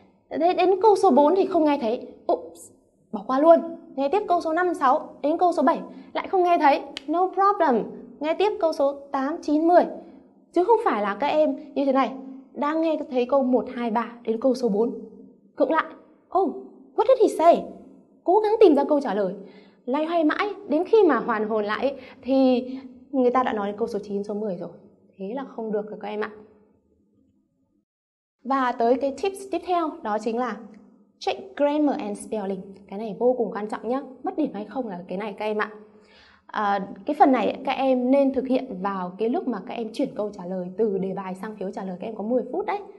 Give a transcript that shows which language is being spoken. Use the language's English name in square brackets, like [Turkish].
[Vietnamese] Thế đến câu số 4 thì không nghe thấy. Oops, bỏ qua luôn. Nghe tiếp câu số 5 6, đến câu số 7 lại không nghe thấy. [English] No problem. [Vietnamese] Nghe tiếp câu số 8, 9, 10. Chứ không phải là các em như thế này, đang nghe thấy câu 1, 2, 3 đến câu số 4. Cộng lại, [English] oh, what did he say? [Vietnamese] Cố gắng tìm ra câu trả lời. Lay hoay mãi, đến khi mà hoàn hồn lại thì người ta đã nói đến câu số 9, số 10 rồi. Thế là không được rồi các em ạ. Và tới cái tips tiếp theo, đó chính là [English] check grammar and spelling. [Vietnamese] Cái này vô cùng quan trọng nhé. Mất điểm hay không là cái này các em ạ. Cái phần này các em nên thực hiện vào cái lúc mà các em chuyển câu trả lời từ đề bài sang phiếu trả lời, các em có 10 phút đấy.